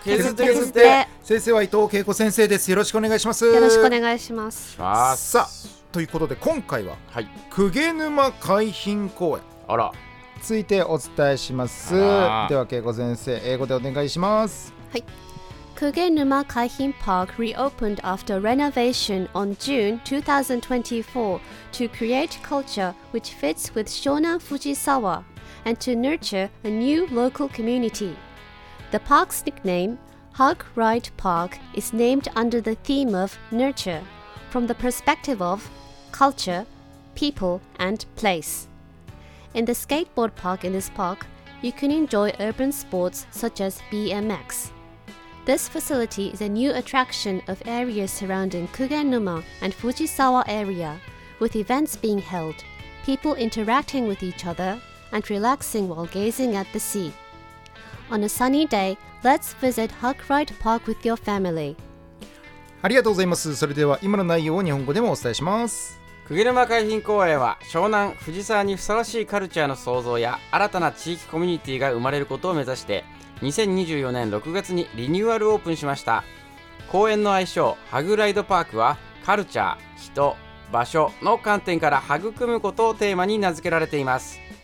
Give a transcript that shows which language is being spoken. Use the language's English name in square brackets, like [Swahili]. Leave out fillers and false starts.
[Japanese] 削って削って。先生は伊藤恵子先生です。よろしくお願いします。よろしくお願いします。さあ、ということで今回は、はい、鵠沼海浜公園あらついてお伝えします。では恵子先生、英語でお願いします。はい。 [English] Kugenuma Kaihin Park reopened after renovation on June 2024 to create culture which fits with Shonan Fujisawa and to nurture a new local community. The park's nickname, Hug Right Park, is named under the theme of nurture from the perspective of culture, people, and place. In the skateboard park in this park, you can enjoy urban sports such as BMX. This facility is a new attraction of areas surrounding Kugenuma and Fujisawa area, with events being held, people interacting with each other, and relaxing while gazing at the sea. On a sunny day, let's visit Hug Right Park with your family. [Japanese] ありがとうございます。それでは今の内容を日本語でもお伝えします。 Kugenuma海浜公園は湘南藤沢にふさわしいカルチャーの創造や新たな地域コミュニティが生まれることを目指して2024年6月にリニューアルオープンしました。公園の愛称ハグライドパークはカルチャー、人、場所の観点から育むことをテーマに名付けられています。